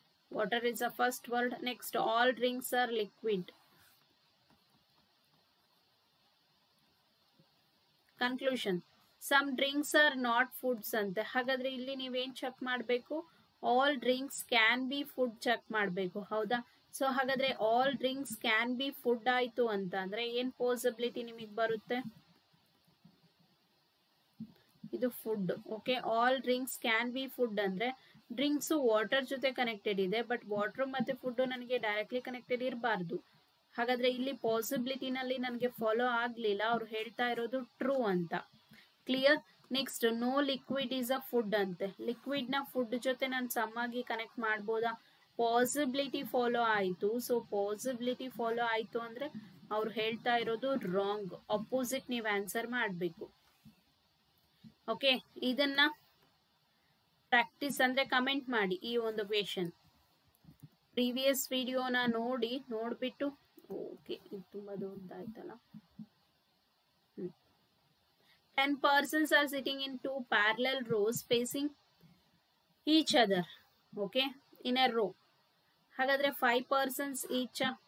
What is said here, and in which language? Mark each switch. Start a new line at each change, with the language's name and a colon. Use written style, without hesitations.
English: Water is the first word. Next, all drinks are liquid. Conclusion. Some drinks are not foods.
Kannada: ಹಾಗಾದ್ರೆ ಇಲ್ಲಿ ನೀವೇನ್ check ಮಾಡಬೇಕು?
English: All drinks can be food
Kannada: check ಮಾಡಬೇಕು. ಹೌದಾ? So ಹಾಗಾದ್ರೆ
English: all drinks can be food
Kannada: ಆಯ್ತು ಅಂತ ಅಂದ್ರೆ ಏನ್ ಪಾಸಿಬಿಲಿಟಿ ನಿಮಗ್ ಬರುತ್ತೆ? ಇದು food. Okay,
English: all drinks can be food
Kannada: ಅಂದ್ರೆ ಡ್ರಿಂಕ್ಸ್ ವಾಟರ್ ಜೊತೆ ಕನೆಕ್ಟೆಡ್ ಇದೆ, ಬಟ್ ವಾಟರ್ ಮತ್ತೆ ಫುಡ್ ನನಗೆ ಡೈರೆಕ್ಟ್ಲಿ ಕನೆಕ್ಟೆಡ್ ಇರಬಾರ್ದು. ಹಾಗಾದ್ರೆ ಇಲ್ಲಿ ಪಾಸಿಬಿಲಿಟಿನಲ್ಲಿ ನನಗೆ ಫಾಲೋ ಆಗ್ಲಿಲ್ಲ, ಅವ್ರು ಹೇಳ್ತಾ ಇರೋದು ಟ್ರೂ ಅಂತ. Clear?
English: next, no liquid is a food
Kannada: ಅಂತೆ. ಲಿಕ್ವಿಡ್ ನ ಫುಡ್ ಜೊತೆ ನಾನು ಸಮ್ಮಾಗಿ ಕನೆಕ್ಟ್ ಮಾಡ್ಬೋದಾ? ಪಾಸಿಬಿಲಿಟಿ ಫಾಲೋ ಆಯಿತು. ಸೊ ಪಾಸಿಬಿಲಿಟಿ ಫಾಲೋ ಆಯಿತು ಅಂದ್ರೆ ಅವ್ರು ಹೇಳ್ತಾ ಇರೋದು ರಾಂಗ್, ಅಪೋಸಿಟ್ ನೀವು ಆನ್ಸರ್ ಮಾಡಬೇಕು. ಓಕೆ, ಇದನ್ನ ಪ್ರಾಕ್ಟೀಸ್ ಅಂದ್ರೆ ಕಮೆಂಟ್ ಮಾಡಿ ಈ ಒಂದು ಕ್ವೆಶನ್. ಪ್ರೀವಿಯಸ್ ವಿಡಿಯೋನ ನೋಡಿ, ನೋಡ್ಬಿಟ್ಟು ಓಕೆ ಇದು ತುಂಬಾ ದೊಡ್ಡದಾಯ್ತಲ್ಲ.
English: 10 persons are sitting in two parallel rows facing each other. Okay, in a row.
Kannada: ಹಾಗಾದ್ರೆ
English: 5 persons each.